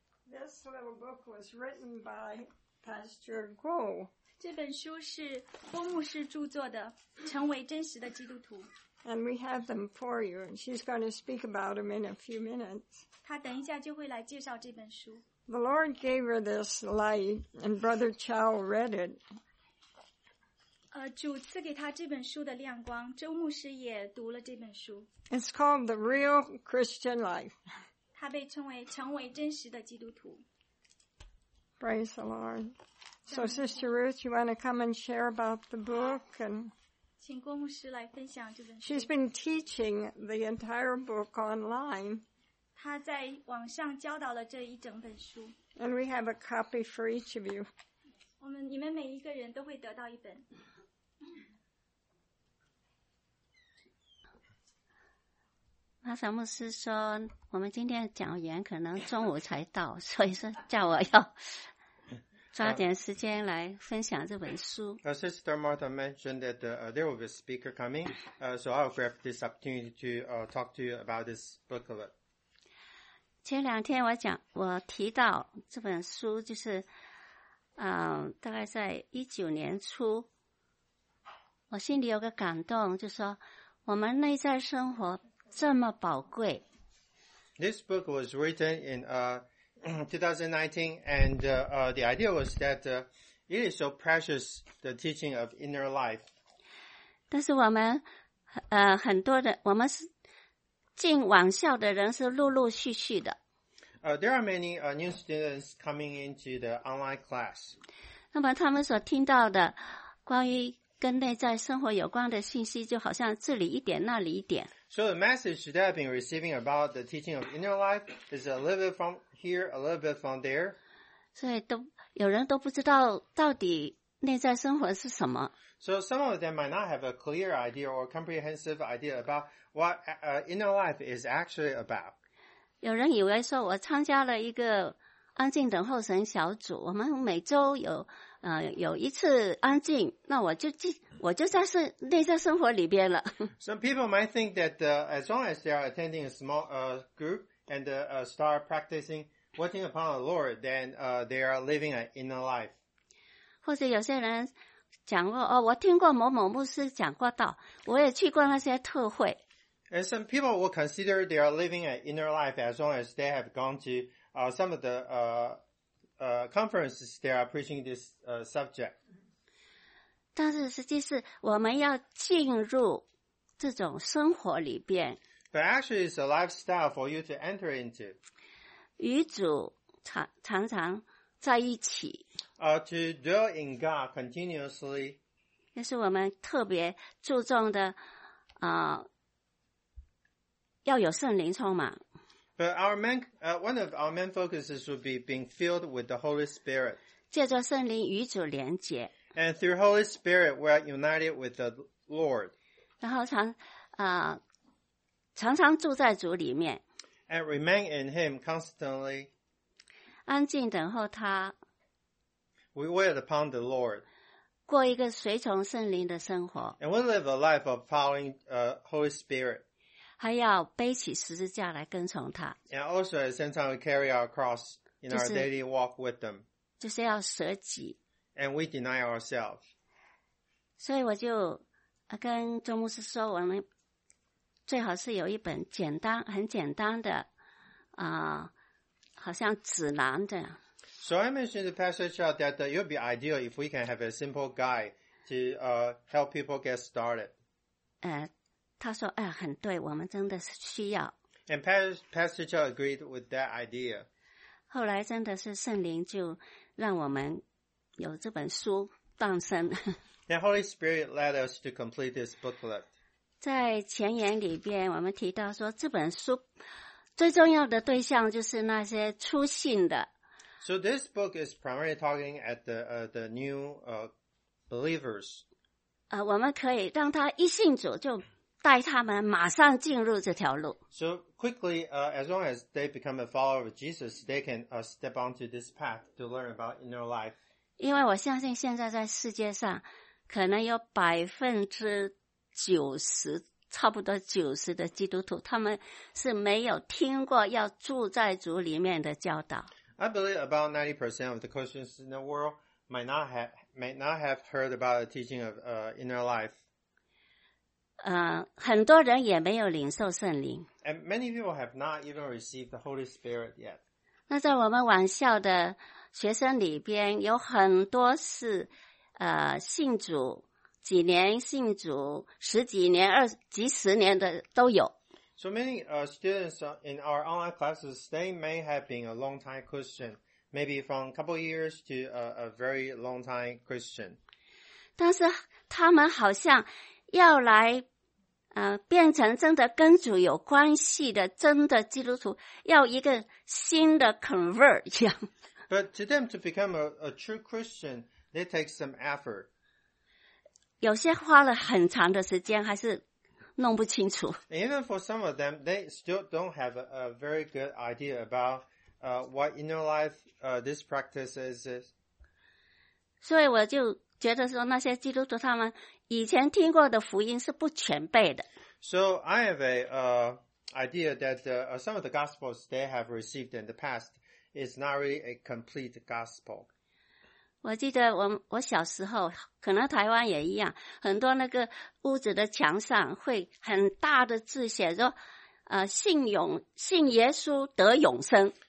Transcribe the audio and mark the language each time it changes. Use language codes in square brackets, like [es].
[en] This little book was written by Pastor Guo. [zh] 这本书是郭牧师著作的《成为真实的基督徒》。 [en] And we have them for you. And she's going to speak about them in a few minutes. [zh] 她等一下就会来介绍这本书。 [en] The Lord gave her this light, and Brother Chow read it. [zh] 主赐给她这本书的亮光，周牧师也读了这本书。 [en] It's called The Real Christian Life. [zh] 她被称为成为真实的基督徒。 [en] Praise the Lord. So, Sister Ruth, you want to come and share about the book? And [zh] 请郭牧师来分享这本书。 [en] She's been teaching the entire book online. [zh] 她在网上教导了这一整本书。 [en] And we have a copy for each of you. [zh] 我们你们每一个人都会得到一本。马萨牧师说我们今天讲员可能中午才到，所以说叫我要抓点时间来分享这本书。 [en] Sister Martha mentioned that there will be a speaker coming, so I'll grab this opportunity to talk to you about this booklet. [zh] 前两天我讲，我提到这本书，就是，大概在2019年初，我心里有个感动，就说我们内在生活这么宝贵。 [en] This book was written in 2019, and the idea was that it is so precious, the teaching of inner life. [zh] 但是我们，很多的我们是进网校的人是陆陆续续的。 [en] There are many new students coming into the online class. [zh] 那么他们所听到的关于跟内在生活有关的信息，就好像这里一点，那里一点。 [en] So the message that I've been receiving about the teaching of inner life is a little bit from here, a little bit from there. [zh] 所以都有人都不知道到底内在生活是什么。 [en] So some of them might not have a clear idea or comprehensive idea about what inner life is actually about. [zh] 有人以为说我参加了一个安静等候神小组，我们每周有一次安静，那我就在内在生活里边了。 [en] Some people might think that as long as they are attending a small group and start practicing waiting upon the Lord, then they are living an inner life. [zh] 或者有些人讲过，哦，我听过某某牧师讲过道，我也去过那些特会。 [en] And some people will consider they are living an inner life as long as they have gone to some of the conferences that are preaching this subject. [zh] 但是实际是我们要进入这种生活里边。 [en] But actually, it's a lifestyle for you to enter into. [zh] 与主常常在一起。 [en] To dwell in God continuously. [zh] 这是我们特别注重的要有圣灵充满。 [en] But our main, one of our main focuses would be being filled with the Holy Spirit. [zh] 借着圣灵与主连结。 [en] And through Holy Spirit, we are united with the Lord. [zh] 然后常常住在主里面。 [en] And remain in Him constantly. [zh] 安静等候他。 [en] We wait upon the Lord. [zh] 过一个随从圣灵的生活。 [en] And we live a life of following Holy Spirit. [zh] 还要背起十字架来跟从他。 [en] And also at the same time we carry our cross in our daily walk with them. [zh] 就是要舍己。 [en] And we deny ourselves. [zh] 所以我就跟周牧师说，我们最好是有一本简单，很简单的，好像指南的。 [en] So I mentioned to Pastor Chow that it would be ideal if we can have a simple guide to help people get started. [zh] 他说：“哎，很对，我们真的是需要。” [en] And Pastor Chow agreed with that idea. [zh] 后来真的是圣灵就让我们有这本书诞生。 [en] The Holy Spirit led us to complete this booklet. [zh] 在前言里边，我们提到说，这本书最重要的对象就是那些初信的。 [en] So this book is primarily talking at the new believers. [zh] 我们可以让他一信主就带他们马上进入这条路。 [en] So quickly, as long as they become a follower of Jesus, they can step onto this path to learn about inner life. [zh] 因为我相信现在在世界上可能有90%，差不多90%的基督徒，他们是没有听过要住在主里面的教导。 [en] I believe about 90% of the Christians in the world might not have heard about the teaching of inner life. [zh] 很多人也没有领受圣灵。 [en] And many people have not even received the Holy Spirit yet. [zh] 那在我们网校的学生里边，有很多是信主几年，信主十几年、几十年的都有。 [en] So many students in our online classes, they may have been a long time Christian, maybe from a couple years to a very long time Christian. [zh] 但是他们好像要来变成真的跟主有关系的真的基督徒，要一个新的 convert 一样。 [en] But to them to become a true Christian, they take some effort. [zh] 有些花了很长的时间还是弄不清楚。 [en] And even for some of them, they still don't have a very good idea about what inner life this practice is. [zh] 所以我就觉得说那些基督徒他们以前听过的福音是不全备的。 [en] So I have a idea that some of the gospels they have received in the past is not really a complete gospel. [zh] 我记得 我小时候可能台湾也一样，很多那个屋子的墙上会很大的字写说信耶稣得永生。